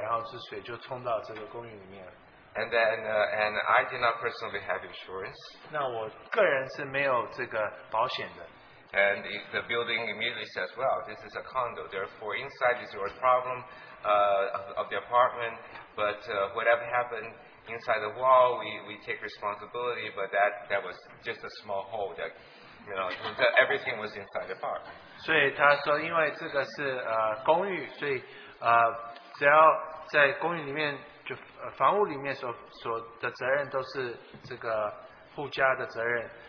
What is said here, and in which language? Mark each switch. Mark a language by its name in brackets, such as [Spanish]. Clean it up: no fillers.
[English] And then, and I did not personally have insurance. [Chinese] 那我个人是没有这个保险的。 [English] And if the building immediately says, well, this is a condo, therefore inside is your problem of the apartment, but whatever happened inside the wall, we take responsibility, but that was just a small hole that, you know, everything was inside the apartment. [Chinese] 所以他说因为这个是公寓, 所以只要在公寓里面, 房屋里面所的责任都是这个户家的责任。